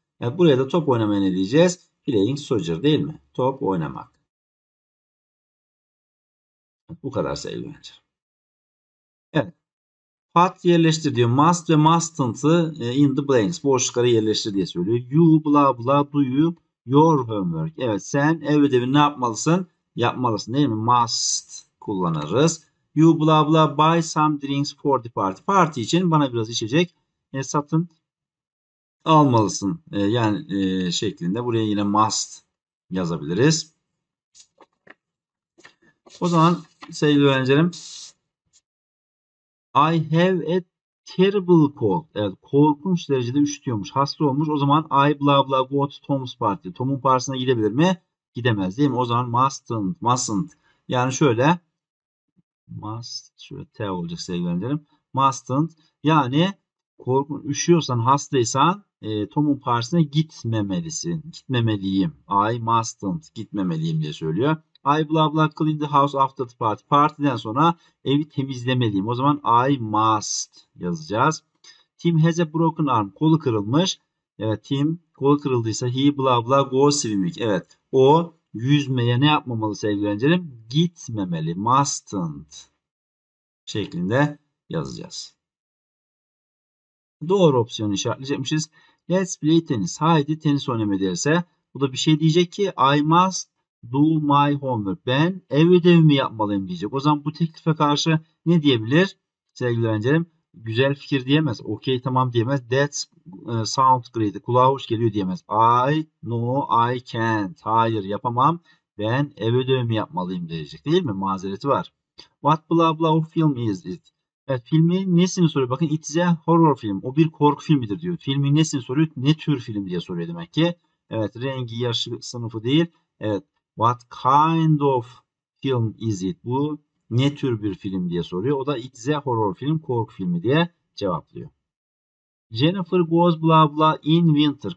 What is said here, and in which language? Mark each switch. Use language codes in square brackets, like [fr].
[tr] Evet, buraya da top oynamaya ne diyeceğiz? [en] Playing soccer, [tr] değil mi? Top oynamak. Evet, bu kadar sevgili öğrenciler. Evet. Pat yerleştir diyor. Must ve mustn't'ı [en] in the blanks. [tr] Boşlukları yerleştir diye söylüyor. [en] You blah blah do your homework. [tr] Evet, sen ev ödevini ne yapmalısın? Yapmalısın, değil mi? Must kullanırız. [en] You blah blah buy some drinks for the party. [tr] Parti için bana biraz içecek satın almalısın. Yani şeklinde buraya yine must yazabiliriz. O zaman sevgili öğrencilerim, [en] I have a terrible cold. [tr] Evet, korkunç derecede üşütüyormuş, hasta olmuş. O zaman [en] I blah blah go to Tom's party. [tr] Tom'un partisine gidebilir mi? Gidemez, değil mi? O zaman mustn't, mustn't. Yani şöyle must, şöyle T olacak sevgili öğrencilerim. Mustn't, yani üşüyorsan, hastaysan Tom'un partisine gitmemelisin. Gitmemeliyim. [en] I mustn't, [tr] gitmemeliyim diye söylüyor. [en] I blah blah clean the house after the party. [tr] Partiden sonra evi temizlemeliyim. O zaman [en] I must [tr] yazacağız. [en] Tim has a broken arm. [tr] Kolu kırılmış. Evet, Tim kolu kırıldıysa [en] he blah blah go swimming. [tr] Evet, o yüzmeye ne yapmamalı sevgili öğrencilerim? Gitmemeli. Mustn't şeklinde yazacağız. Doğru opsiyonu işaretleyecekmişiz. [en] Let's play tennis. [tr] Haydi tenis oynamaya derse. Bu da bir şey diyecek ki [en] I must do my homework. [tr] Ben ev ödevimi yapmalıyım diyecek. O zaman bu teklife karşı ne diyebilir sevgili öğrencilerim? Güzel fikir diyemez. Okey, tamam diyemez. [en] That sounds great. [tr] Kulağa hoş geliyor diyemez. [en] I no I can't. [tr] Hayır, yapamam. Ben ev ödevimi yapmalıyım diyecek, değil mi? Mazereti var. [en] What blah blah of film is it? [tr] Evet, filmin nesini soruyor? Bakın, [en] it's a horror film. [tr] O bir korku filmidir diyor. Filmin nesini soruyor? Ne tür film diye soruyor demek ki. Evet, rengi, yaşı, sınıfı değil. Evet. [en] What kind of film is it? [tr] Bu ne tür bir film diye soruyor. O da [en] it's a horror film, [tr] korku filmi diye cevaplıyor. [en] Jennifer goes blah blah in winter.